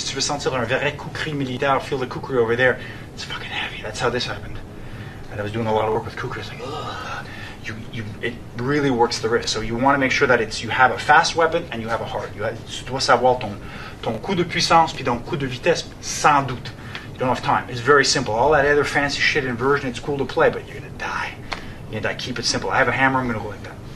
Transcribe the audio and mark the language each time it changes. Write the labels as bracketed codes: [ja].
[fr] Si tu veux sentir un vrai kukri militaire, [en] feel the kukri over there, it's fucking heavy. That's how this happened. And I was doing a lot of work with kukri. It's like, ugh. It really works the wrist. So you want to make sure that you have a fast weapon and you have a hard. [fr] Tu dois savoir ton coup de puissance puis ton coup de vitesse, sans doute. [en] You don't have time. It's very simple. All that other fancy shit inversion, it's cool to play, but you're going to die. You need to keep it simple. I have a hammer, I'm going to go like that.